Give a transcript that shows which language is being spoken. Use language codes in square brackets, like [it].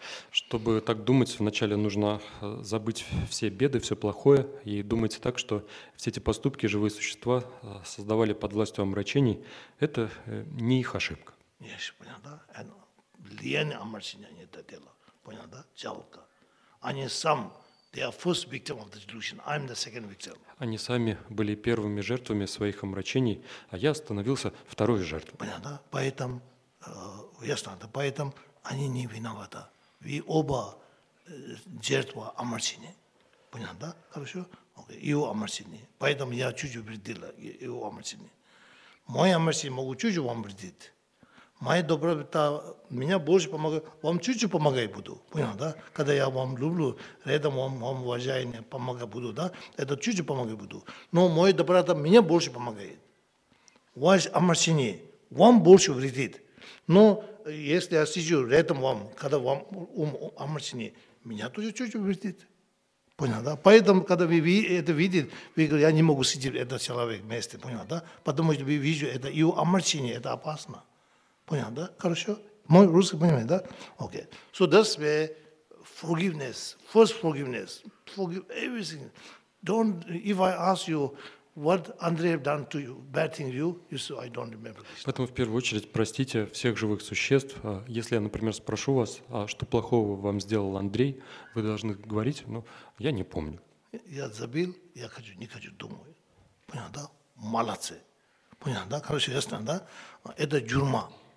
[ru] Чтобы так думать, вначале нужно забыть все беды, все плохое, и думать так, что все эти поступки живые существа создавали под властью омрачений. Это не их ошибка. Yes, понятно, да? And лень омрачения они это дело. Понятно, да? Жалко. Они сам, [en] they are first victim of the delusion. I'm the second victim. [ru] Они сами были первыми жертвами своих омрачений, а я становился второй жертвой. Понятно, да? Поэтому ясно, да, поэтому они не виноваты. Вы оба жертва омрачения. Понятно, да? Хорошо? Okay. Его омрачение. Поэтому я чуть-чуть вредила его омрачение. Мои омрачения могут чуть-чуть вам вредить. Моя доброта меня больше помогает. Вам чуть-чуть помогать буду. Понятно, да? Когда я вам люблю, рядом вам уважаю, помогать буду, да? Это чуть-чуть помогать буду. Но моя доброта меня больше помогает. Ваше омрачение вам больше вредит. Но если я сижу рядом вам, когда вам ум омрачен, меня тоже чуть-чуть вредит. Понял, да? Поэтому, когда вы это видите, вы говорите, я не могу сидеть этот человек вместе. Понял, да? Потому что вы видите, это его омрачен, это опасно. Понял, да? Хорошо? Мой русский понимает, да? Окей. Okay. [en] So that's where forgiveness, first forgiveness, forgive everything. Don't, if I ask you, what Andrei have done to you, bad thing you, you say, I don't remember this. [ru] Поэтому в первую очередь простите всех живых существ. Если я, например, спрошу вас, а что плохого вам сделал Андрей, вы должны говорить, ну, я не помню. Я забыл, я хочу, не хочу, думаю. Понял, да? Молодцы. Понял, да? Короче, ясно, да? Это тюрьма.